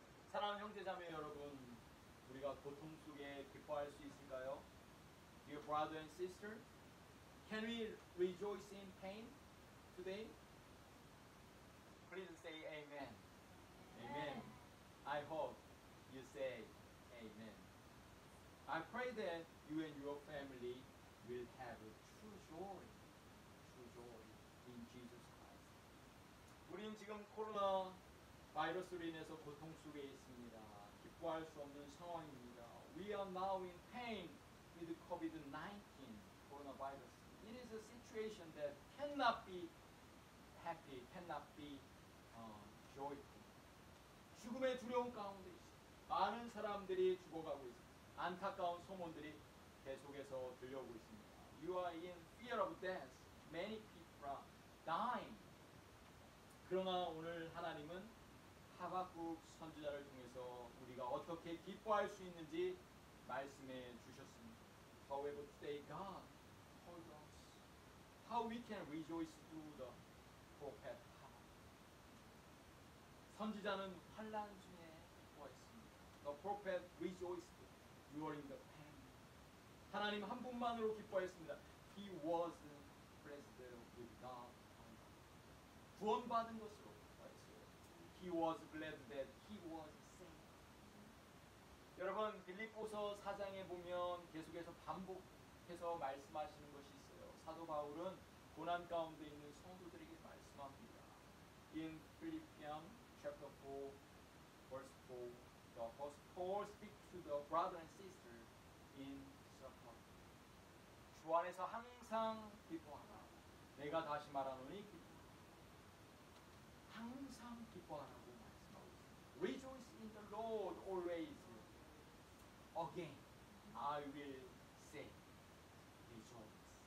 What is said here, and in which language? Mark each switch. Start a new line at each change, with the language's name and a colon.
Korean: 사랑하는 형제자매 여러분, 우리가 고통 속에 기뻐할 수 있을까요?
English: Dear brother and sister, can we rejoice in pain today? Please say amen. Amen. Amen. I hope you say amen. I pray that you and your family will have a true joy in Jesus Christ.
Korean: 우린 지금 코로나 바이러스로 인해서 고통 속에 있습니다. 기뻐할 수 없는 상황입니다.
English: We are now in pain with COVID-19 coronavirus. It is a situation that cannot be happy, cannot be joyful.
Korean: 죽음의 두려움 가운데 많은 사람들이 죽어가고 있습니다. 안타까운 소문들이 계속해서 들려오고 있습니다.
English: You are in fear of death. Many people are dying.
Korean: 그러나 오늘 하나님은 하박국 선지자를 통해서 우리가 어떻게 기뻐할 수 있는지 말씀해 주셨습니다.
English: However, today God told us how we can rejoice through the prophet Habakkuk.
Korean: 선지자는 환난 중에 기뻐했습니다.
English: The prophet rejoiced during the pain.
Korean: 하나님 한 분만으로 기뻐했습니다.
English: He was blessed with God.
Korean: 구원받은 것으로.
English: He was glad that he was saved.
Korean: 여러분, 빌립보서 4장에 보면 계속해서 반복해서 말씀하시는 것이 있어요. 사도 바울은 고난 가운데 있는 성도들에게 말씀합니다.
English: In Philippians chapter 4, verse 4, the apostle Paul speaks to the brother and sister in suffering.
Korean: 주 안에서 항상 기뻐하라. 내가 다시 말하노니 항상 기뻐하라고 말씀하고 있습니다.
English: Rejoice in the Lord always. Again, I will say, rejoice.